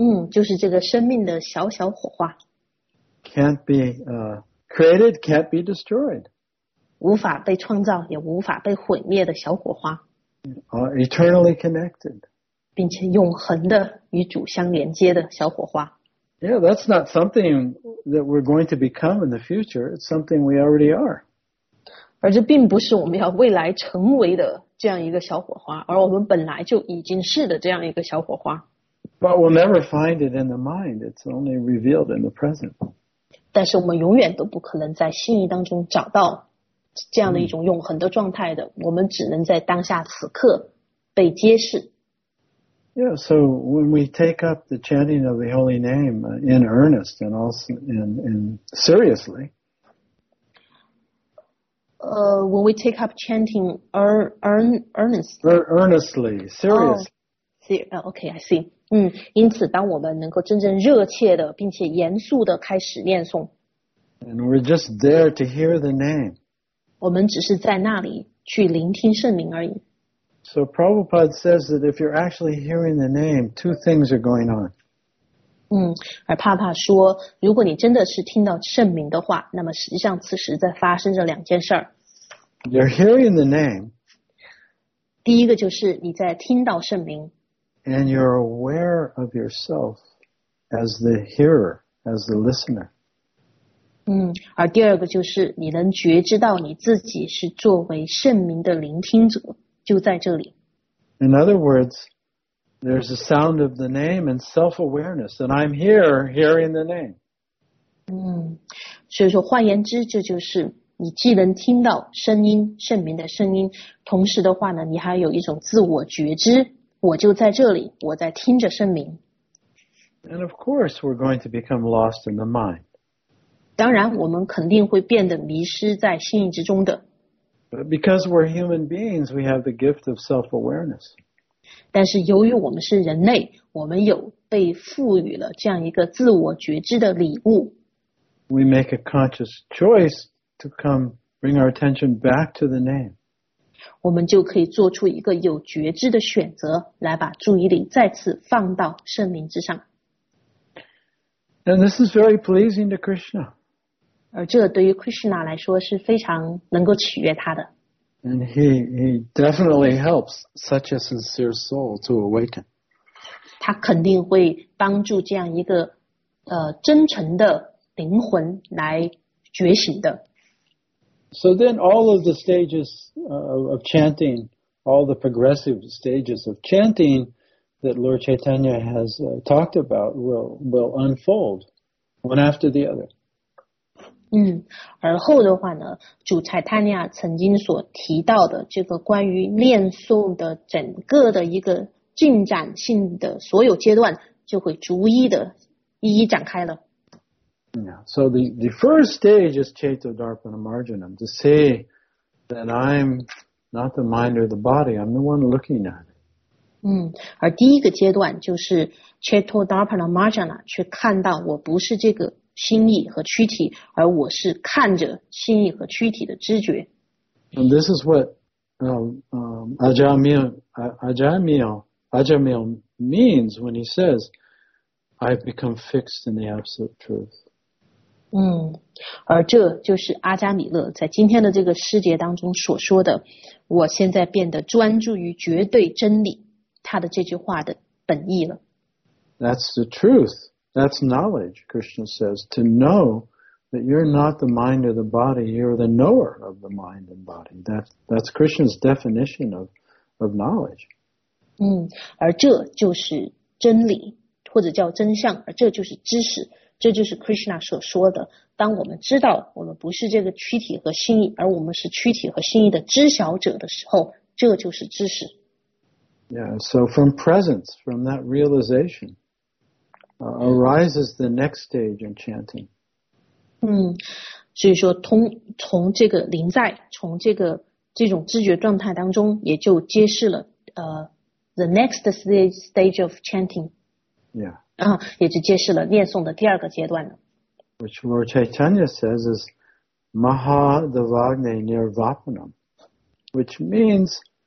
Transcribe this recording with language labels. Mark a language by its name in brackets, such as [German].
[Chinese] 就是这个生命的小小火花。 [English] Can't be created, can't be destroyed. [Chinese] 无法被创造，也无法被毁灭的小火花。 [English] Eternally connected. [Chinese] 并且永恒的与主相连接的小火花。 [English] Yeah, that's not something that we're going to become in the future. It's something we already are. [Chinese] 而这并不是我们要未来成为的这样一个小火花，而我们本来就已经是的这样一个小火花。 [English] But we'll never find it in the mind. It's only revealed in the present. [Chinese] 但是我们永远都不可能在心意当中找到这样的一种永恒的状态的。我们只能在当下此刻被揭示。 [English] Yeah, so when we take up the chanting of the holy name in earnest and also in seriously. When we take up chanting earnestly, seriously. Oh, okay, I see. [Chinese] 因此当我们能够真正热切的并且严肃的开始念诵。 [English] And we're just there to hear the name. [Chinese] 我们只是在那里去聆听圣灵而已。 [English] So Prabhupada says that if you're actually hearing the name, two things are going on. [Chinese] 而帕帕说，如果你真的是听到圣名的话，那么实际上此时在发生着两件事。 [English] You're hearing the name. [Chinese] 第一个就是你在听到圣名。 [English] And you're aware of yourself as the hearer, as the listener. [Chinese] 而第二个就是你能觉知到你自己是作为圣名的聆听者。就在这里。 [English] In other words, there's a sound of the name and self-awareness, and I'm here hearing the name. [Chinese] 所以说换言之，这就是你既能听到声音，圣名的声音，同时的话呢，你还有一种自我觉知，我就在这里，我在听着圣名。 [English] And of course, we're going to become lost in the mind. [Chinese] 当然，我们肯定会变得迷失在心意之中的。 [English] Because we're human beings, we have the gift of self-awareness. [Chinese] 但是由于我们是人类，我们有被赋予了这样一个自我觉知的礼物。 [English] We make a conscious choice to come bring our attention back to the name. [Chinese] 我们就可以做出一个有觉知的选择，来把注意力再次放到圣名之上。 [English] And this is very pleasing to Krishna. [Chinese] 而这对于 Krishna 来说是非常能够取悦他的。 [English] And he definitely helps such a sincere soul to awaken. [Chinese] 他肯定会帮助这样一个真诚的灵魂来觉醒的。 [English] So then all of the stages of chanting, all the progressive stages of chanting that Lord Chaitanya has talked about will unfold one after the other. [Chinese] 而后的话呢，主柴塔尼亚曾经所提到的这个关于念诵的整个的一个进展性的所有阶段，就会逐一的一一展开了。 [English] Yeah, so the first stage is Chaito Darpana Marjanam, to say that I'm not the mind or the body, I'm the one looking at it. [Chinese] 而第一个阶段就是 Chaito Darpana Marjanam, 去看到我不是这个心意和躯体，而我是看着心意和躯体的知觉。 [English] And this is what Ajamil means when he says, "I've become fixed in the absolute truth." [Chinese] 而这就是阿加米勒在今天的这个师节当中所说的，我现在变得专注于绝对真理，他的这句话的本意了。 [English] That's the truth. That's knowledge, Krishna says, to know that you're not the mind or the body, you're the knower of the mind and body. That's Krishna's definition of knowledge. [Chinese] 而这就是真理，或者叫真相，而这就是知识，这就是 Krishna 所说的。当我们知道我们不是这个躯体和心意，而我们是躯体和心意的知晓者的时候，这就是知识。 [English] Yeah, so from presence, from that realization,arises the next stage in chanting. [Chinese] 所以说从这个临在，从这种知觉状态当中，也就揭示了 [English] the next stage of chanting. Yeah. [Chinese] 也就揭示了念诵的第二个阶段了。 [English] Which Lord Chaitanya says is Maha Devagne Nirvapanam, which means